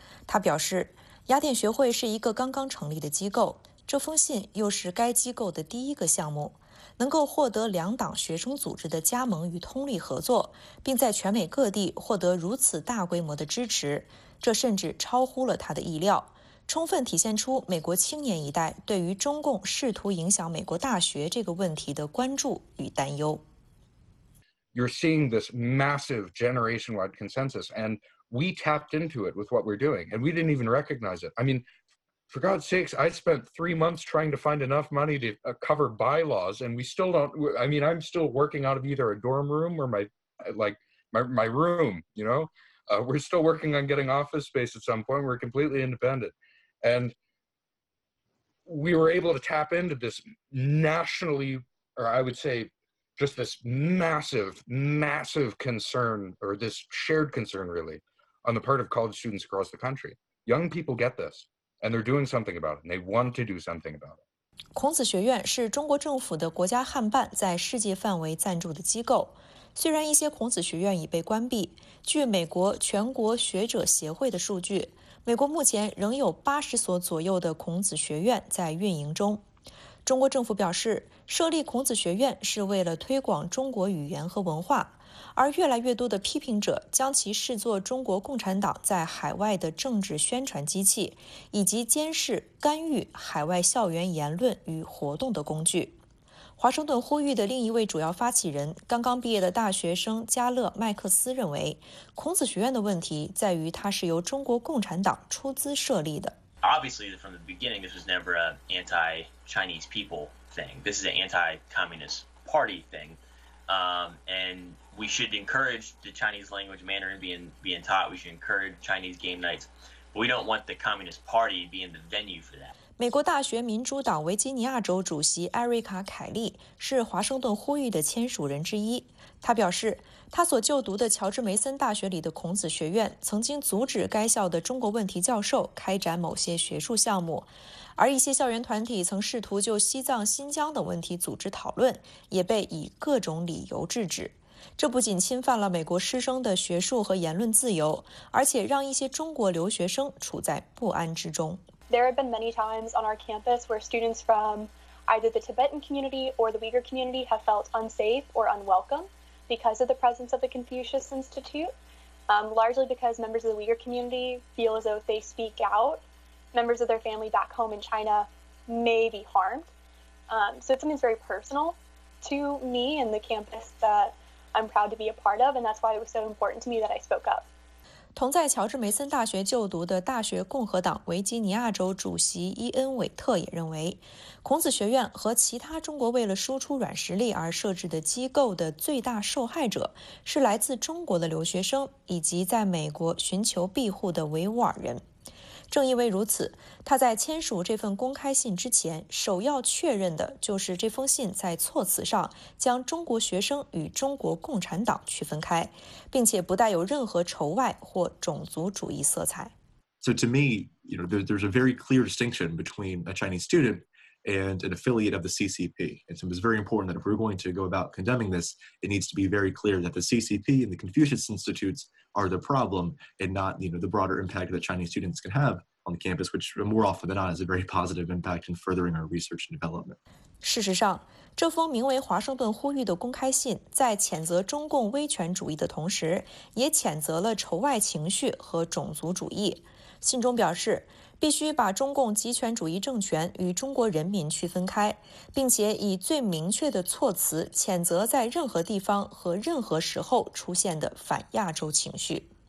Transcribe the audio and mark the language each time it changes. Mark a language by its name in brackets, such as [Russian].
[Chinese] 他表示，雅典学会是一个刚刚成立的机构，这封信又是该机构的第一个项目，能够获得两党学生组织的加盟与通力合作，并在全美各地获得如此大规模的支持，这甚至超乎了他的意料。充分体现出美国青年一代对于中共试图影响美国大学这个问题的关注与担忧。 [English] You're seeing this massive generation-wide consensus, and we tapped into it with what we're doing, and we didn't even recognize it. I mean, for God's sakes, I spent 3 months trying to find enough money to cover bylaws, and we still don't. I mean, I'm still working out of either a dorm room or my room. You know, we're still working on getting office space at some point. We're completely independent. And we were able to tap into this nationally, or I would say just this massive, massive concern, or this shared concern really, on the part of college students across the country. Young people get this, and they're doing something about it, and they want to do something about it. [Chinese] 孔子学院是中国政府的国家汉办在世界范围赞助的机构。虽然一些孔子学院已被关闭，据美国全国学者协会的数据，美国目前仍有80所左右的孔子学院在运营中。中国政府表示，设立孔子学院是为了推广中国语言和文化，而越来越多的批评者将其视作中国共产党在海外的政治宣传机器，以及监视干预海外校园言论与活动的工具。华盛顿呼吁的另一位主要发起人，刚刚毕业的大学生加勒·麦克斯认为，孔子学院的问题在于它是由中国共产党出资设立的。 [English] Obviously, from the beginning, this was never an anti-Chinese people thing. This is an anti-communist party thing. And we should encourage the Chinese language Mandarin being taught. We should encourage Chinese game nights. But we don't want the communist party being the venue for that. [Chinese] 美国大学民主党维吉尼亚州主席艾瑞卡·凯利是华盛顿呼吁的签署人之一。他表示，他所就读的乔治梅森大学里的孔子学院曾经阻止该校的中国问题教授开展某些学术项目，而一些校园团体曾试图就西藏、新疆等问题组织讨论，也被以各种理由制止。这不仅侵犯了美国师生的学术和言论自由，而且让一些中国留学生处在不安之中。 [English] There have been many times on our campus where students from either the Tibetan community or the Uyghur community have felt unsafe or unwelcome. Because of the presence of the Confucius Institute, largely because members of the Uyghur community feel as though if they speak out, members of their family back home in China may be harmed. So it's something very personal to me and the campus that I'm proud to be a part of, and that's why it was so important to me that I spoke up. [Chinese] 同在乔治梅森大学就读的大学共和党维吉尼亚州主席伊恩·韦特也认为，孔子学院和其他中国为了输出软实力而设置的机构的最大受害者是来自中国的留学生以及在美国寻求庇护的维吾尔人。正因为如此，他在签署这份公开信之前，首要确认的就是这封信在措辞上将中国学生与中国共产党区分开，并且不带有任何仇外或种族主义色彩。 [English] So to me, you know, there's a very clear distinction between a Chinese student and an affiliate of the CCP. And so it's very important that if we're going to go about condemning this, it needs to be very clear that the CCP and the Confucius Institutes. Are the problem and not, you know, the broader impact that Chinese students can have on the campus, which more often than not is a very positive impact in furthering our research and development. [Chinese] 事实上，这封名为《华盛顿呼吁》的公开信，在谴责中共威权主义的同时，也谴责了仇外情绪和种族主义。信中表示，必须把中共极权主义政权与中国人民区分开，并且以最明确的措辞谴责在任何地方和任何时候出现的反亚洲情绪。